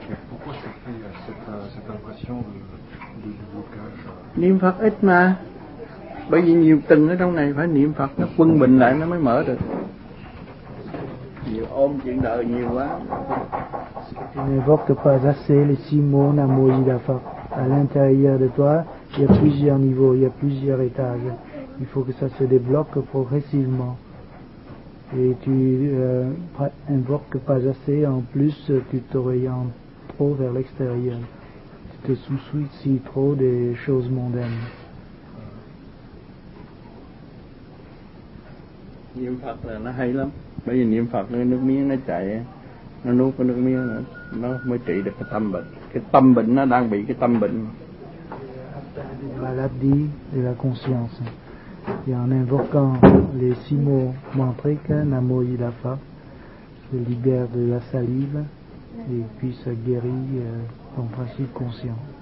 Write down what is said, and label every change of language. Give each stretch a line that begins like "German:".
French: Pourquoi ça fait cette impression de blocage?
Vietnamese: Niệm Phật ít mà. Bởi vì nhiều tình ở trong này phải niệm Phật nó quân bình lại nó mới mở được. Nhiều ôm chuyện đời nhiều quá.
French: Tu n'évoques pas assez les six mots Namo Yidafa. À l'intérieur de toi, il y a plusieurs niveaux, il y a plusieurs étages. Il faut que ça se débloque progressivement. Et tu invoques pas assez, en plus tu t'orientes trop vers l'extérieur. Tu te soucies trop des choses mondaines.
Vietnamese: Niệm Phật là nó hay lắm. Bởi vì niệm Phật nước miếng nó chạy, nó nuốt cái nước miếng nó mới trị được cái tâm bệnh. Cái tâm bệnh nó đang bị cái tâm bệnh.
French: Maladie de la conscience. Et en invoquant les six mots mantriques, Namo Yidafa, se libère de la salive et puis ça guérit ton principe conscient.